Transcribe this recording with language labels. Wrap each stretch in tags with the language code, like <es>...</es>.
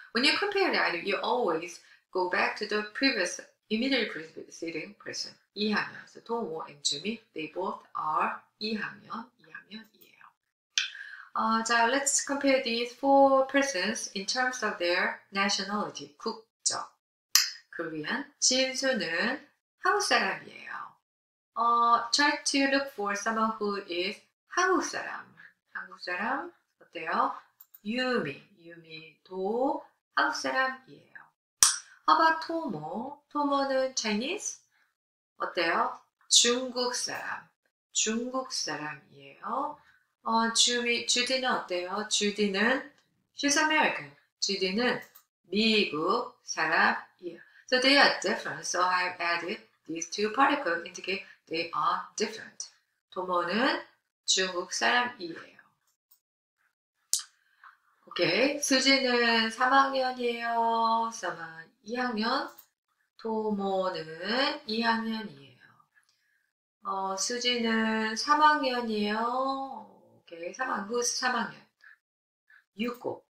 <en>When you compare the item, you always go back to the previous, immediately preceding person. 2학년. So, 도모 and Jimmy, they both are 2학년,</en> <ko>2학년이에요.</ko> <en>자, let's compare these four persons in terms of their nationality, 국적. Korean.</en> <ko>진수는 한국 사람이에요.</ko> <en>Try to look for someone who is 한국 사람.</en> <ko>한국 사람 어때요? 유미도 한국 사람이에요.</ko> <en>How about 토모?</en> <ko>토모는</ko> <en>Chinese?</en> <ko>어때요? 중국 사람. 중국 사람이에요. Judy는 어때요? Judy는</ko> <en>she's American.</en> <ko>Judy는 미국 사람이에요.</ko> <en>So they are different. So I've added these two particles indicate they are different.</en> <ko>도모는 중국 사람이에요. Okay. 수지는 3학년이에요. 서만 2학년. 도모는 2학년이에요. 수지는 3학년이에요. Okay. 3학년.</ko> <en>Who's</en> <ko>3학년? 6고.</ko>